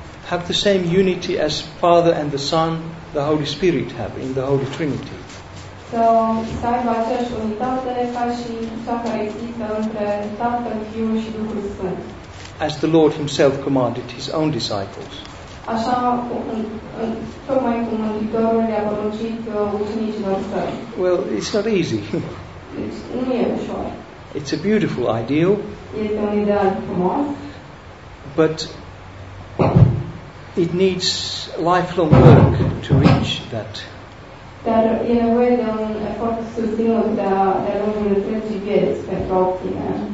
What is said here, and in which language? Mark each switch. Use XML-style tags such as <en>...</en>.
<en>have the same unity as Father and the Son, the Holy Spirit have in the Holy Trinity.</en> <ro>So, să aibă aceeași unitate ca și cea care există între Tatăl, Fiul și Duhul Sfânt.</ro> <en>As the Lord Himself commanded His own disciples.</en> <ro>Așa, tocmai cum Mântuitorul le-a poruncit ucenicilor Săi.</ro> <en>Well, it's not easy.</en> <ro>Nu e ușor.</ro> <en>It's a beautiful ideal.</en> <ro>Este un ideal frumos.</ro> <en>But it needs lifelong work to reach that.</en> <ro>Dar e nevoie de un efort susținut de a ajunge în întregi vieți pentru a obține</ro>